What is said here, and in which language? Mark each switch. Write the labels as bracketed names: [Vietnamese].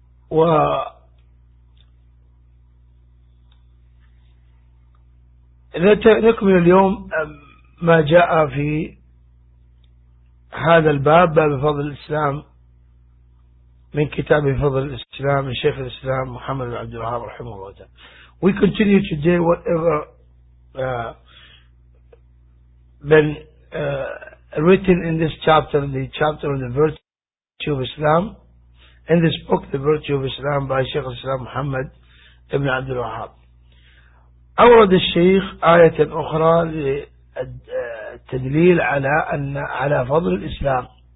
[Arabic] و نكمل اليوم ما جاء في هذا الباب بفضل الإسلام من كتاب بفضل الإسلام من شيخ الإسلام محمد بن عبد الوهاب رحمه الله تعالى. [English] We continue today whatever been written in this chapter, the chapter on the virtue of Islam, in this book, The Virtue of Islam by Shaykh al-Islam Muhammad ibn Abdul Wahab. [Arabic] أورد الشيخ آية أخرى للتدليل على أن على فضل الإسلام.